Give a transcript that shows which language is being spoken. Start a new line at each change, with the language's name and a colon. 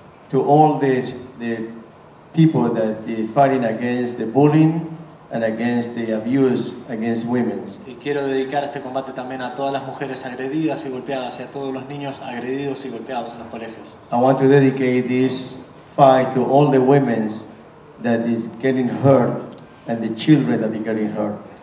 English: To all the people that are fighting against the bullying and against the abuse against women.
Spanish: Y quiero dedicar este combate también a todas las mujeres agredidas y golpeadas y a todos los niños agredidos y golpeados en los colegios.
English: I want to dedicate this fight to all the women that is getting hurt and the children that are getting hurt.